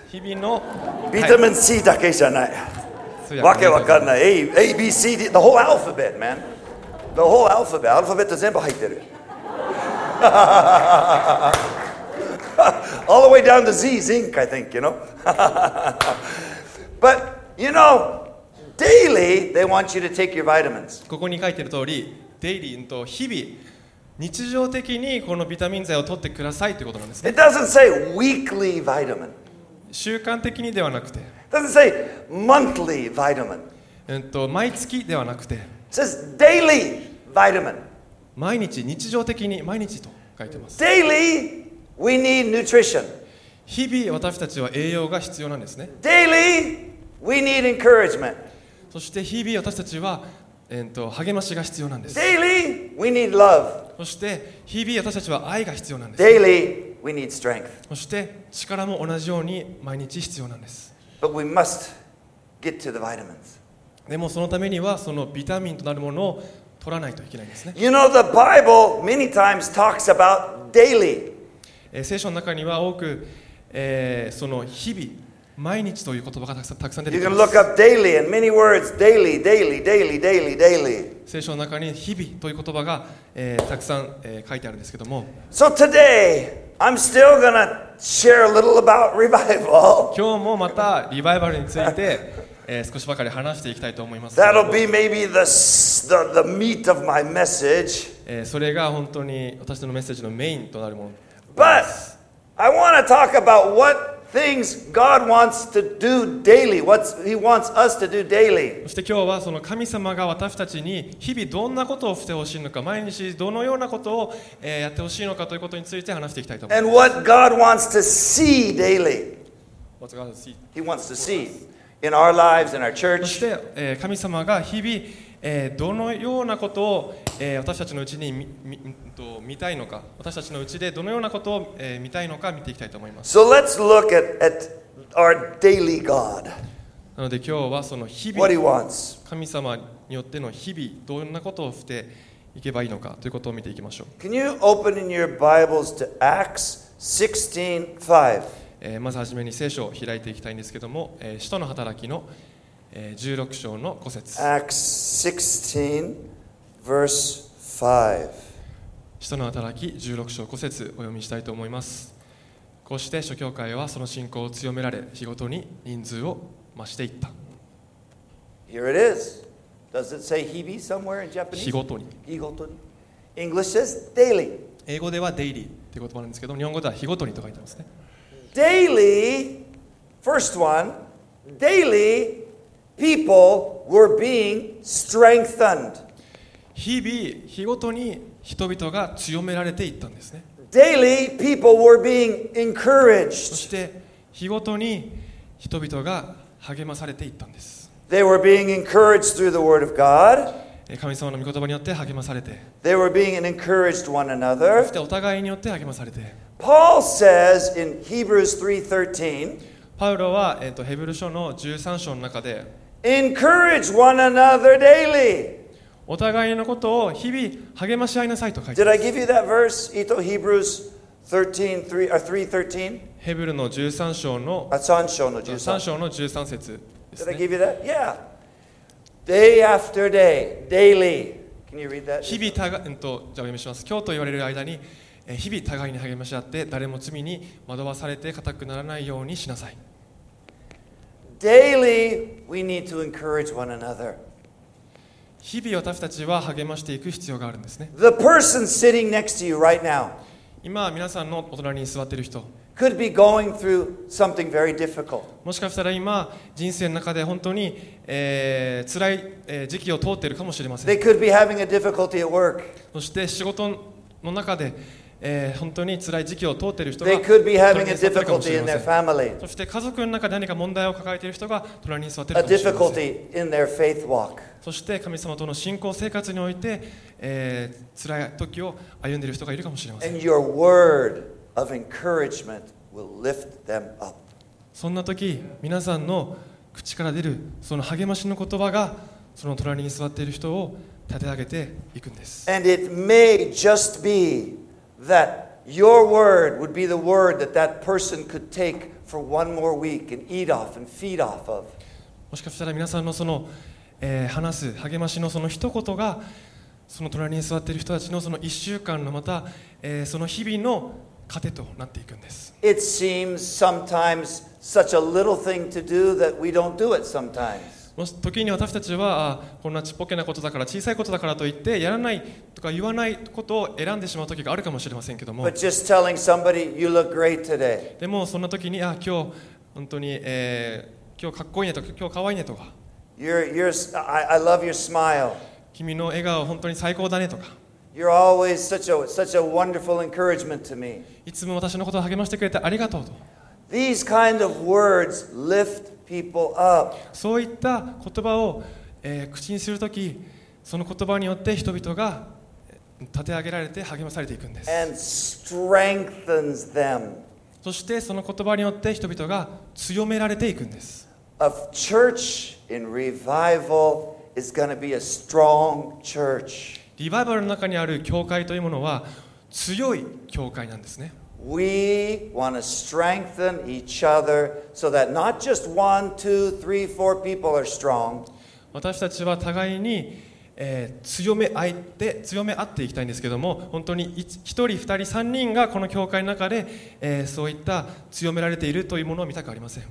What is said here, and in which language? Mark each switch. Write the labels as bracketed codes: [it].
[ja] 日々のビタミン C だけじゃない、はい、わけわかんない [en] A B C D the whole alphabet man the whole alphabet [ja] アルファベット全部入ってる [en] all the way down to Z zinc I think you know but you knowDaily, they want you to take your vitamins. [ja] ここに書いてる通り、daily と日々、日常的にこのビタミン剤を取ってくださいってことなんですね。 [en] It doesn't say weekly vitamin. [ja] 習慣的にではなくて。 [en] It doesn't say monthly vitamin. [ja] 毎月ではなくて。 [en] It says daily vitamin. [ja] 毎日、日常的に毎日と書いてます。 [en] Daily, we need nutrition. [ja] 日々私たちは栄養が必要なんですね。 [en] Daily, we need encouragement. [ja] そして日々私たちは、励ましが必要なんです。 [en] Daily, we need love. [ja] そして日々私たちは愛が必要なんです。 [en] Daily, we need strength. [ja] そして力も同じように毎日必要なんです。 [en] But we must get to the vitamins. [ja] でもそのためにはそのビタミンとなるものを取らないといけないんですね。 [en] You know, the Bible many times talks about daily. [ja] 聖書の中には多く、その日々毎日という言葉がたくさん出てきます。 [en] You can look up daily in many words, daily, daily, daily, daily, daily. [ja] 聖書の中に日々という言葉が、たくさん、書いてあるんですけども。 [en] So today, I'm still gonna share a little about revival. [ja] 今日もまたリバイバルについて、少しばかり話していきたいと思います。 [en] That'll be maybe the meat of my message. [ja] それが本当に私のメッセージのメインとなるもの。 [en] But I want to talk about what things God wants to do daily, what He wants us to do daily. [ja] そして今日はその神様が私たちに日々どんなことをしてほしいのか、毎日どのようなことをやってほしいのかということについて話していきたいと思います。 [en] And what God wants to see daily. What God wants to see. He wants to see in our lives, in our church. [ja] そして神様が日々どのようなことを私たちのうちに 見たいのか、私たちのうちでどのようなことを見たいのか見ていきたいと思います。 [en] So let's look at our daily God. [ja] なので今日はその日々、 [en] What he wants. [ja] 神様によっての日々どんなことをしていけばいいのかということを見ていきましょう。 [en] Can you open in your Bibles to Acts 16:5? [ja] まずはじめに聖書を開いていきたいんですけども、使徒の働きの16章の5節。 [en] Acts 16, verse [ja] 5。使徒の働き16章5節お読みしたいと思います。こうして諸教会はその信仰を強められ、日ごとに人数を増していった。 [en] Here it is. Does it say 日々 somewhere in Japanese? [ja] 日ごとに。日ごとに。 [en] English says daily. [ja] 英語では daily って言葉なんですけど、日本語では日ごとにと書いてますね。 [en] Daily, first one, daily. People were being strengthened. [ja] 日々日ごとに人々が強められていったんですね。 [en] Daily, people were being encouraged. [ja] そして日ごとに人々が励まされていったんです。 [en] They were being encouraged through the word of God. [ja] 神様の御言葉によって励まされて。 [en] They were being encouraged one another. [ja] そしてお互いによって励まされて。 [en] Paul says in Hebrews 3:13. [ja] パウロは、ヘブル書の13章の中で [en] Encourage one another daily. [ja] お互いのことを日々励まし合いなさいと書いて [en] ます。Did I give you that verse? Ito Hebrews 3:13? [ja] ヘブルの13章の 3 章の13節、 [en] ね、Did I give you that? Yeah. Day after day, daily. Can you read that? [ja] 日々たが、じゃあ読みします。今日と言われる間に日々互いに励まし合って誰も罪に惑わされて固くならないようにしなさい。 [en] Daily we need to encourage one another. [ja] 日々私たちは励ましていく必要があるんですね。 [en] The person sitting next to you right now. [ja] 今皆さんのお隣に座っている人 [en] could be going through something very difficult. [ja] もしかしたら今人生の中で本当に、辛い、時期を通っているかもしれません。 [en] They could be having a difficulty at work. [ja] そして仕事の中で本当に辛い時期を通っている人が [en] They could be having a difficulty in their family. [ja] そして家族の中で何か問題を抱えている人が隣に座っているかもし [en] れません。 A difficulty in their faith walk. [ja] そして神様との信仰生活において、辛い時を歩んでいる人がいるかもしれません。 [en] And your word of encouragement will lift them up. [ja] そんな時皆さんの口から出るその励ましの言葉がその隣に座っている人を立て上げていくんです。 [en] And it may just beThat your word would be the word that that person could take for one more week and eat off and feed off of. [ja] もしかしたら皆さんのその、話す励ましのその一言がその隣に座っている人たちのその一週間のまた、その日々の糧となっていくんです。 [en] It seems sometimes such a little thing to do that we don't do it sometimes. [ja] 時に私たちはこんなちっぽけなことだから小さいことだからといってやらないとか言わないことを選んでしまう時があるかもしれませんけども、 [en] But just telling somebody, you look great today. [ja] でもそんな時に今日本当に、今日かっこいいねとか今日かわいいねとか [en] I love your smile. [ja] 君の笑顔本当に最高だねとか [en] You're always such a wonderful encouragement to me. [ja] いつも私のことを励ましてくれてありがとうと [en] These kind of words lift [ja] そういった言葉を、口にするとき、その言葉によって人々が立て上げられて励まされていくんです。 [en] And strengthens them. [ja] そしてその言葉によって人々が強められていくんです。 [en] A church in revival is going to be a strong church. [ja] リバイバルの中にある教会というものは強い教会なんですね。 [en] We want to strengthen each other so that not just one, two, three, four people are strong. [ja] 私たちは互いに、強め合っていきたいんですけども、本当に1人、2人、3人がこの教会の中で、そういった強められているというものを見たくありません。